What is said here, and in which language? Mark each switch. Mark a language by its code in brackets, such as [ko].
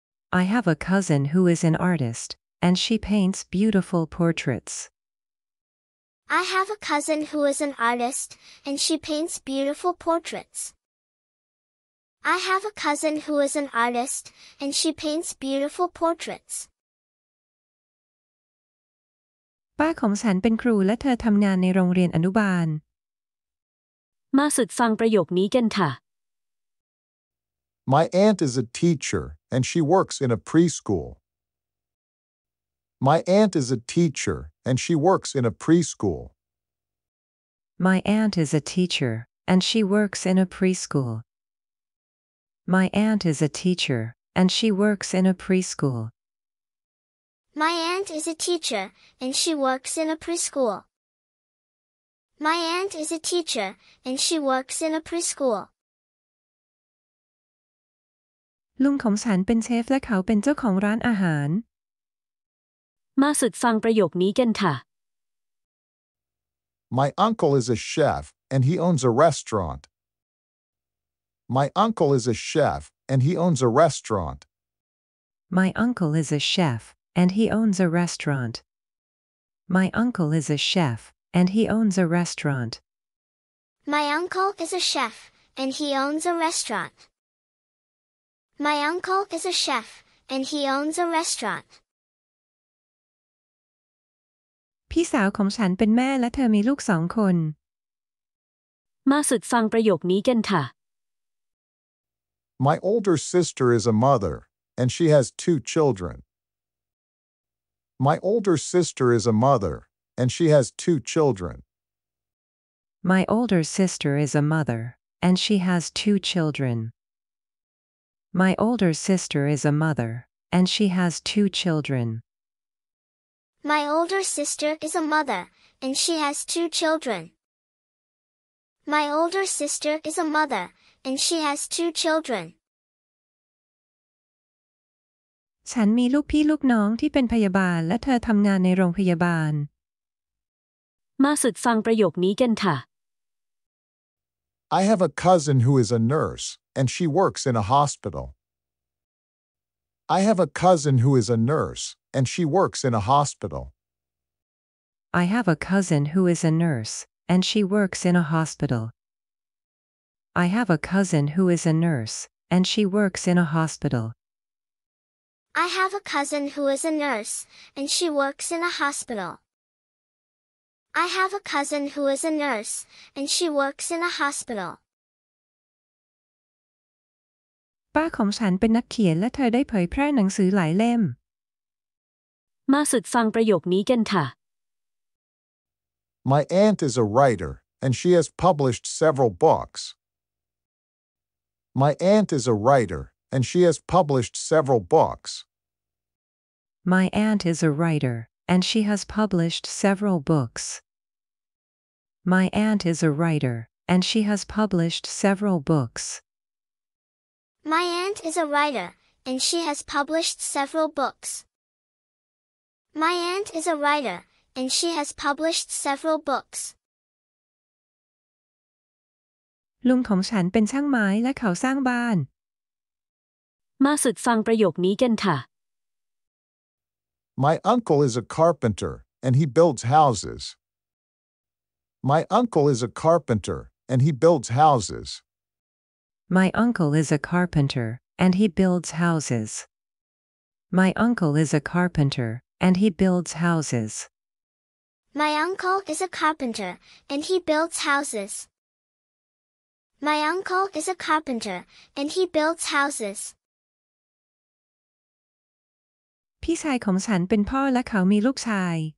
[en] I have a cousin who is an artist, and she paints beautiful portraits. I have a cousin who is an artist, and she paints beautiful portraits. I have a cousin who is an artist, and she paints beautiful portraits. [th] ป้าของฉันเป็นครูและเธอทำงานในโรงเรียนอนุบาล มาฝึกฟังประโยคนี้กันค่ะ [en] My aunt is a teacher, and she works in a preschool. My aunt is a teacher, and she works in a preschool. My aunt is a teacher, and she works in a preschool. My aunt is a teacher, and she works in a preschool. My aunt is a teacher, and she works in a preschool. My aunt is a teacher, and she works in a preschool. [th] ลุงของฉันเป็นเชฟและเขาเป็นเจ้าของร้านอาหาร มาฝึกฟังประโยคนี้กันค่ะ [en] My uncle is a chef and he owns a restaurant. My uncle is a chef and he owns a restaurant. My uncle is a chef and he owns a restaurant. My uncle is a chef and he owns a restaurant. My uncle is a chef and he owns a restaurant. My uncle is a chef, and he owns a restaurant. [th] พี่สาวของฉันเป็นแม่และเธอมีลูกสองคน มาฝึกฟังประโยคนี้กันค่ะ [en] My older sister is a mother, and she has two children. My older sister is a mother, and she has two children. My older sister is a mother, and she has two children. My older sister is a mother, and she has two children. My older sister is a mother, and she has two children. My older sister is a mother, and she has two children. [th] ฉันมีลูกพี่ลูกน้องที่เป็นพยาบาลและเธอทำงานในโรงพยาบาล มาฝึกฟังประโยคนี้กันค่ะ [en] I have a cousin who is a nurse, and she works in a hospital. I have a cousin who is a nurse, and she works in a hospital. I have a cousin who is a nurse, and she works in a hospital. I have a cousin who is a nurse, and she works in a hospital. I have a cousin who is a nurse, and she works in a hospital. I have a cousin who is a nurse, and she works in a hospital. [th] ป้าของฉันเป็นนักเขียนและเธอได้เผยแพร่หนังสือหลายเล่ม มาฝึกฟังประโยคนี้กันค่ะ [en] My aunt is a writer, and she has published several books. My aunt is a writer, and she has published several books. My aunt is a writer, and she has published several books. My aunt is a writer, and she has published several books. My aunt is a writer, and she has published several books. My aunt is a writer, and she has published several books. [th] ลุงของฉันเป็นช่างไม้และเขาสร้างบ้าน มาฝึกฟังประโยคนี้กันค่ะ [en] My uncle is a carpenter, and he builds houses. My uncle is a carpenter, and he builds houses. My uncle is a carpenter, and he builds houses. My uncle is a carpenter, and he builds houses. My uncle is a carpenter, and he builds houses. My uncle is a carpenter, and he builds houses. [th] พี่ชายของฉันเป็นพ่อและเขามีลูกชาย